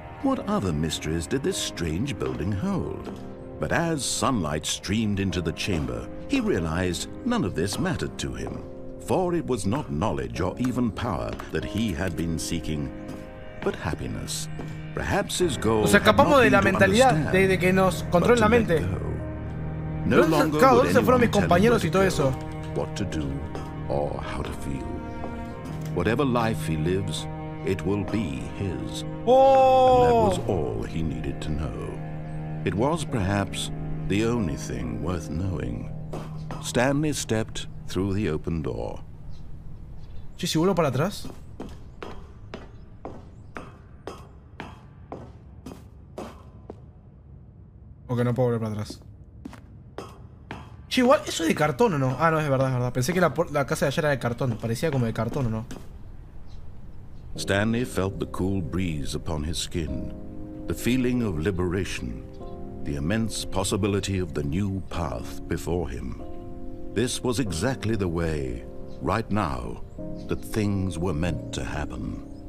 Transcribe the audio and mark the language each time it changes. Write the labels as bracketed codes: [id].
[en] What other mysteries did this strange building hold? But as sunlight streamed into the chamber, he realized none of this mattered to him, for it was not knowledge or even power that he had been seeking, but happiness. [es] Nos escapamos de la mentalidad de que nos controlen la mente. ¿Dónde se fueron mis compañeros y todo eso? [en] What to do or how to feel. Whatever life he lives, it will be his. Oh. That was all he needed to know. It was perhaps the only thing worth knowing. Stanley stepped through the open door. [es] ¿Sí, si vuelo para atrás? Ok, no puedo volver para atrás. Che, igual, ¿eso es de cartón o no? Ah, no, es verdad, es verdad. Pensé que la casa de allá era de cartón. Parecía como de cartón, ¿o no? [en] Stanley felt the cool breeze upon his skin. The feeling of liberation. The immense possibility of the new path before him. This was exactly the way, right now, that things were meant to happen.